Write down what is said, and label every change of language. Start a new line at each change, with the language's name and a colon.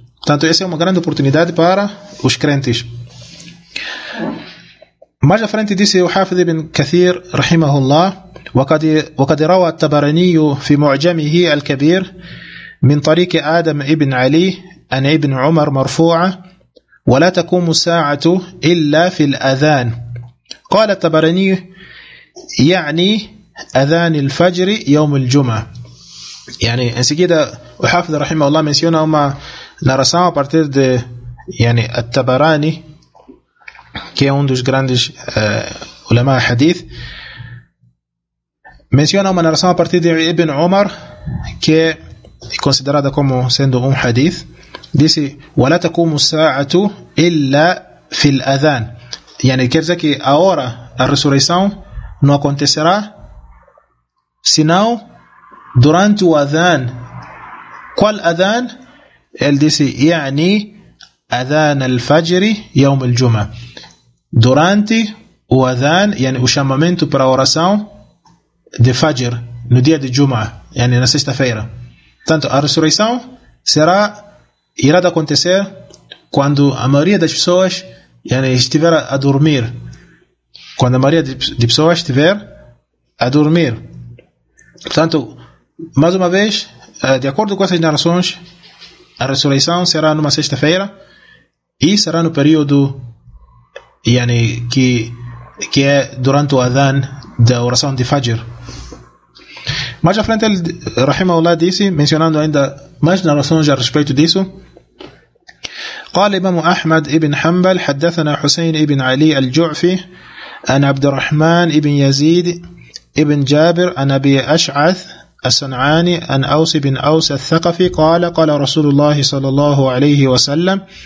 Portuguese: Portanto, essa é uma grande oportunidade para os crentes. Mais à frente disse o Hafiz ibn Kathir,
Arabic: rahimahullah, وقد روى التبراني في معجمه الكبير من طريق آدم ابن علي أن ابن عمر مرفوعة ولا تقوم الساعة إلا في الأذان. قال التبراني يعني أذان الفجر يوم الجمعة.
Portuguese: يعني en seguida o Hafiz rahimahullah menciona uma narração a partir de, yani, at-Tabarani, que é dos grandes ulama hadith. Menciona uma narração a partir de Ibn Umar, que é considerada como sendo hadith. Disse:
Arabic: ولا تقوم الساعة إلا في الأذان.
Portuguese: Yani, quer dizer que a hora, a ressurreição, não acontecerá senão durante o Adhan. Qual Adhan? Ele disse:
Arabic: يعني أذان الفجر يوم الجمعة.
Portuguese: Durante o Adhan, yani, o chamamento para a oração de Fajr, no dia de Jum'a, yani, na sexta-feira. Portanto, a ressurreição irá acontecer quando a maioria das pessoas, yani, estiver a dormir. Quando a maioria de pessoas estiver a dormir. Portanto, mais uma vez, de acordo com essas narrações, a ressurreição será numa sexta-feira e será no período yani, que é durante o Adhan da oração de Fajr. Mais à frente, ele, Rahimahullah, disse, mencionando ainda mais narrações a respeito disso,
Arabic: قال الإمام أحمد ابن حنبل حدثنا حسين ابن علي الجعفي عن عبد الرحمن ابن يزيد ابن جابر عن أبي أشعث السنعاني عن أوس بن أوس الثقفي قال قال رسول الله صلى الله عليه وسلم